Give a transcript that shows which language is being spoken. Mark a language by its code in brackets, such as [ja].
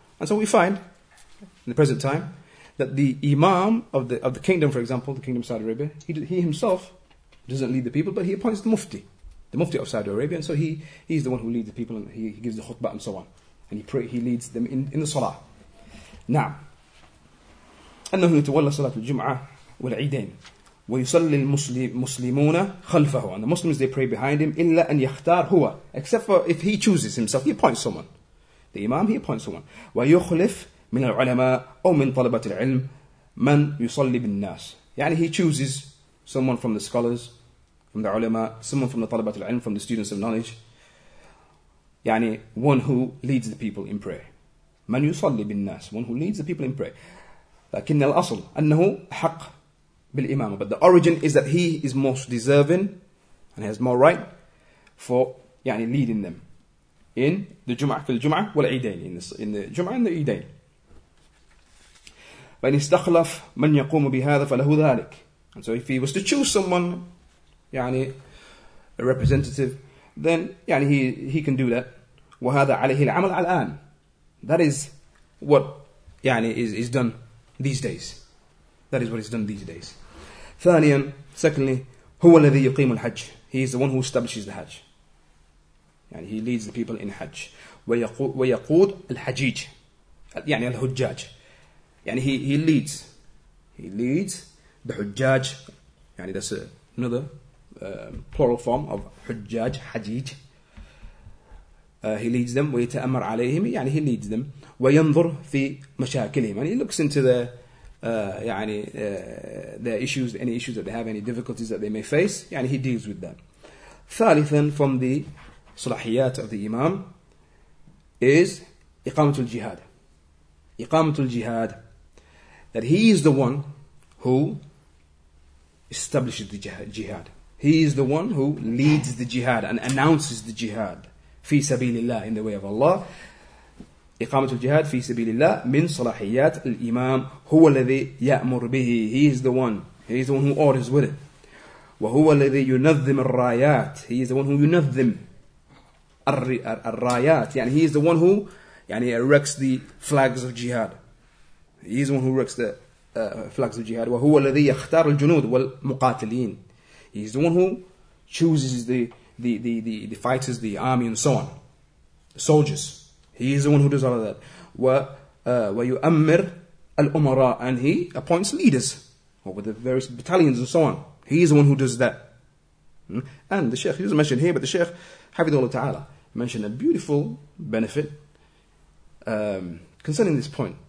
[en] And so we find, in the present time, that the imam of the kingdom, for example, the kingdom of Saudi Arabia, he himself doesn't lead the people, but he appoints the mufti of Saudi Arabia, and so he's the one who leads the people, and he gives the khutbah and so on, and he leads them in the salah. Now, [ar] أنه يتولى صلاة الجمعة والعيدين ويصلي المسلمون خلفه, [en] and the Muslims, they pray behind him, [ar] إلا أن يختار هو, [en] except for if he chooses himself, he appoints someone, the imam, he appoints someone, [ar] ويخلف من العلماء أو من طلبة العلم من يصلي بالناس. [en] يعني he chooses someone from the scholars, from the علماء, someone from the طلبة العلم, from the students of knowledge. يعني one who leads the people in prayer. [ar] من يصلي بالناس, [en] one who leads the people in prayer. [ar] لكن الأصل أنه حق بالإمامة, [en] but the origin is that he is most deserving and has more right for يعني leading them in the جمعة, [ar] في الجمعة والعيدين, [en] in the جمعة and the عيدين. [ar] فإن استخلف من يقوم بهذا فله ذلك. [en] And so if he was to choose someone, يعني a representative, then يعني he can do that. [ar] وهذا عليه العمل الآن. [en] That is what يعني is done these days. That is what is done these days. [ar] ثانيا, [en] secondly, [ar] هو الذي يقيم الحج. [en] He is the one who establishes the Hajj. يعني he leads the people in Hajj. [ar] ويقود الحجيج. يعني الحجاج. [en] يعني he leads the حجاج. يعني that's another plural form of حجاج, حجيج. He leads them. [ar] ويتأمر عليهم. [en] يعني he leads them. [ar] وينظر في مشاكلهم. [en] And he looks into the their issues, any issues that they have, any difficulties that they may face. يعني he deals with them. ثالثا, from the صلاحيات of the imam is إقامة الجهاد. [ar] إقامة الجهاد. [en] That he is the one who establishes the jihad. He is the one who leads the jihad and announces the jihad. [ar] في سبيل الله, [en] in the way of Allah. [ar] إقامة الجهاد في سبيل الله من صلاحيات الإمام. هو الذي يأمر به. [en] He is the one. He is the one who orders with it. [ar] وهو الذي ينظم الرايات. [en] He is the one who [ar] ينظم الرايات. [en] يعني he is the one who يعني erects the flags of jihad. He is the one who erects the flags of jihad. [ar] وهو الذي يختار الجنود والمقاتلين. [en] He is the one who chooses the fighters, the army, and so on. The soldiers. He is the one who does all of that. [ar] وَيُؤَمِّرْ الْأُمَرَىٰ. [en] And he appoints leaders over the various battalions and so on. He is the one who does that. And the Sheikh, he doesn't mention here, but the Sheikh, Hafidhullah Ta'ala, mentioned a beautiful benefit concerning this point.